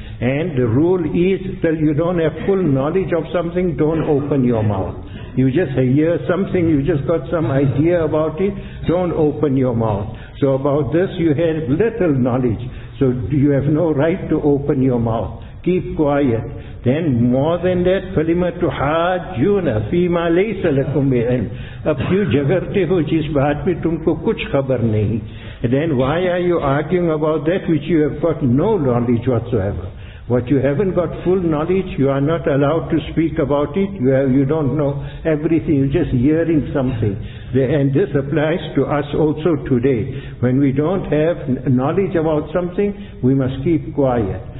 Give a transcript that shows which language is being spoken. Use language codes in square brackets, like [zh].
[en] And the rule is, till you don't have full knowledge of something, don't open your mouth. You just hear something, you just got some idea about it, don't open your mouth. So about this you have little knowledge, so you have no right to open your mouth. Keep quiet. Then more than that, [ar] فَلِمَ تُحَاجُّونَ فِي مَا لَيْسَ لَكُمْ بِعِلْمِ [ur] اَبْ كِيُوْ جَغَرْتِ هُوْ جِسْ بَعَدْ مِنْ تُمْكُوْ كُچْ خَبَرْ نَهِ. [en] Then why are you arguing about that which you have got no knowledge whatsoever? What you haven't got full knowledge, you are not allowed to speak about it. You don't know everything, you're just hearing something. And this applies to us also today. When we don't have knowledge about something, we must keep quiet.